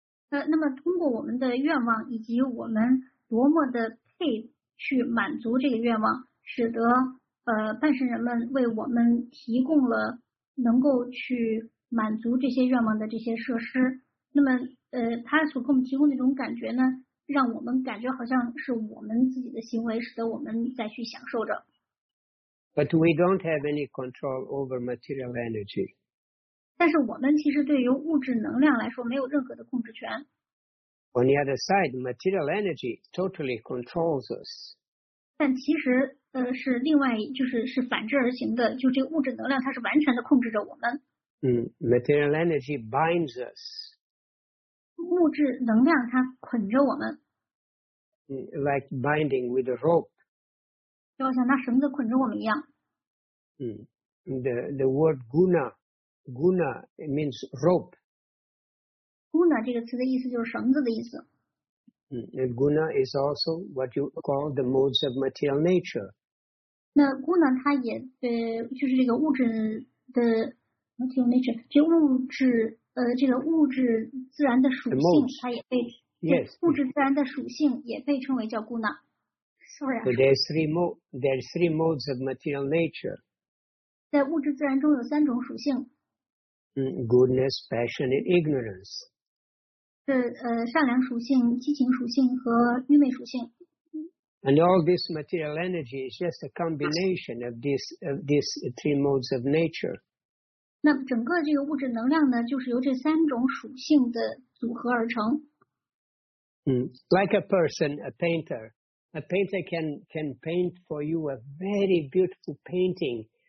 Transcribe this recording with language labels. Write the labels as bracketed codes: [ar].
[zh] 那么通过我们的愿望以及我们多么的配去满足这个愿望，使得半神人们为我们提供了能够去满足这些愿望的这些设施。那么他所给我们提供的这种感觉呢，让我们感觉好像是我们自己的行为使得我们再去享受着。 [en] But we don't have any control over material energy. [zh] 但是我们其实对于物质能量来说没有任何的控制权。 [en] On the other side, material energy totally controls us. [zh] 但其实是另外就是反之而行的，就这个物质能量它是完全的控制着我们。 [en] Material energy binds us. [zh] 物质能量它捆着我们 [en] ，like binding with a rope， [zh] 就像拿绳子捆着我们一样。 [en] The word guna it means rope。 [zh] guna 这个词的意思就是绳子的意思。 [en] And guna is also what you call the modes of material nature。 [zh] 那 guna 它也就是这个物质的 [en] material nature， [zh] 就物质。这个物质自然的属性，它也被 [en] yes, [zh] 物质自然的属性也被称为叫姑娜。 [en] So there are three modes of material nature. [zh] 在物质自然中有三种属性。 [en] Goodness, passion, and ignorance. [zh] 善良属性、激情属性和愚昧属性。 [en] And all this material energy is just a combination of these three modes of nature. [zh] 那整个这个物质能量呢，就是由这三种属性的组合而成。 [en] Like a person, a painter. A painter can paint for you a very beautiful painting.